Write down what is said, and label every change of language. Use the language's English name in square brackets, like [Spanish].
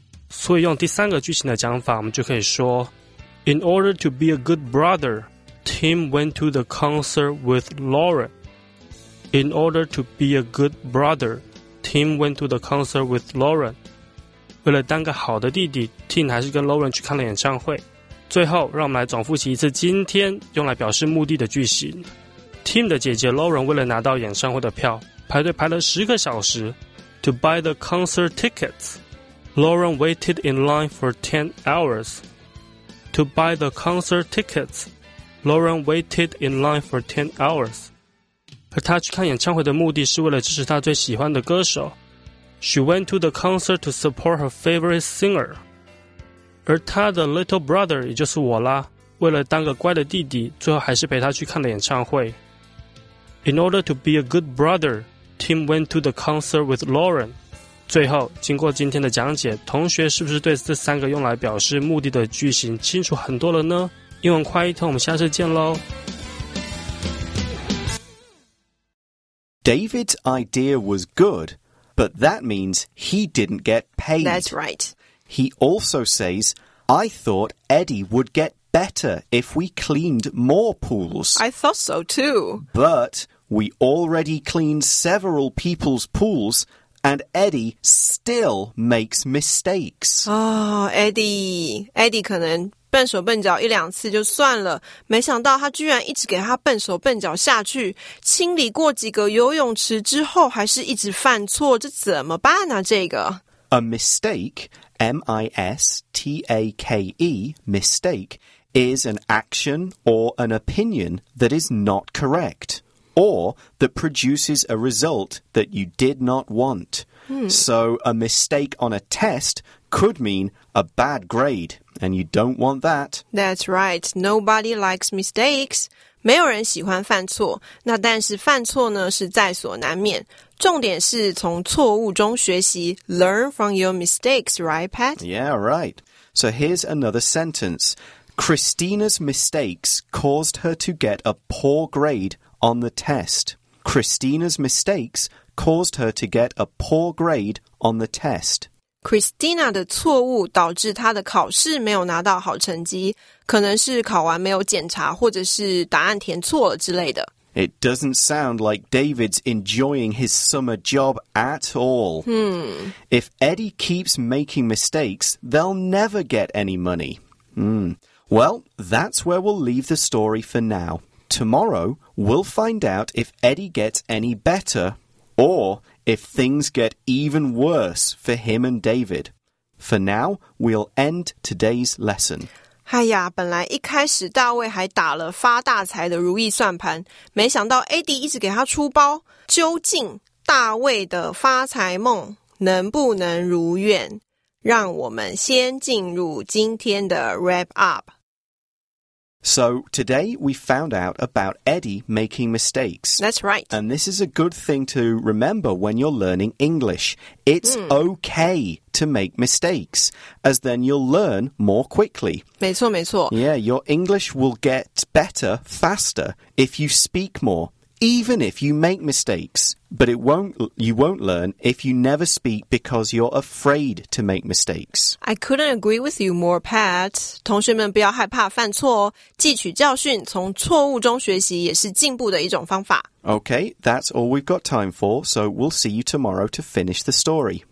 [Chinese] 所以用第三个句型的讲法，我们就可以说 [English] In order to be a good brother, Tim went to the concert with Lauren. In order to be a good brother, Tim went to the concert with Lauren. [Chinese] 为了当个好的弟弟， Tim 还是跟 Lauren 去看了演唱会。最后让我们来总复习一次今天用来表示目的的句型。 Tim 的姐姐 Lauren 为了拿到演唱会的票，排队排了10个小时。 [English] To buy the concert tickets, Lauren waited in line for 10 hours. To buy the concert tickets, Lauren waited in line for 10 hours. [Chinese] 而她去看演唱会的目的是为了支持她最喜欢的歌手。 [English] She went to the concert to support her favorite singer. [Chinese] 而她的 [English] little brother, [Chinese] 也就是我啦，为了当个乖的弟弟，最后还是陪她去看了演唱会。 [English] In order to be a good brother, Tim went to the concert with Lauren. [Chinese] 最后，经过今天的讲解，同学是不是对这三个用来表示目的的句型清楚很多了呢？英文快译通，我们下次见咯。 [English] David's idea was good, But that means he didn't get paid. That's right. He also says, I thought Eddie would get better if we cleaned more pools. I thought so too. But we already cleaned several people's pools. And Eddie still makes mistakes. [Chinese] Eddie 可能笨手笨脚一两次就算了，没想到他居然一直给他笨手笨脚下去，清理过几个游泳池之后还是一直犯错，这怎么办啊这个 [English] A mistake, M-I-S-T-A-K-E, mistake, is an action or an opinion that is not correct. Or that produces a result that you did not want. So a mistake on a test could mean a bad grade, and you don't want that. That's right. Nobody likes mistakes. [Chinese] 没有人喜欢犯错。那但是犯错呢是在所难免。重点是从错误中学习 [English] Learn from your mistakes, right, Pat? Yeah, right. So here's another sentence. Christina's mistakes caused her to get a poor grade. On the test. Christina's mistakes caused her to get a poor grade on the test. [Chinese] Christina 的错误导致她的考试没有拿到好成绩，可能是考完没有检查，或者是答案填错了之类的。 [English] It doesn't sound like David's enjoying his summer job at all. If Eddie keeps making mistakes, they'll never get any money. Well, that's where we'll leave the story for now. Tomorrow, we'll find out if Eddie gets any better or if things get even worse for him and David. For now, we'll end today's lesson. [Chinese] 哎呀，本来一开始大卫还打了发大财的如意算盘，没想到 Eddie 一直给他出包。究竟大卫的发财梦能不能如愿？让我们先进入今天的 wrap up。 [English] So, today we found out about Eddie making mistakes. That's right. And this is a good thing to remember when you're learning English. It's okay to make mistakes, as then you'll learn more quickly. [Chinese] 没错没错。 [English] Yeah, your English will get better faster if you speak more, even if you make mistakes. But you won't learn if you never speak because you're afraid to make mistakes. I couldn't agree with you more, Pat. [Chinese] 同学们不要害怕犯错哦，汲取教训，从错误中学习也是进步的一种方法。 [English] Okay, that's all we've got time for, so we'll see you tomorrow to finish the story.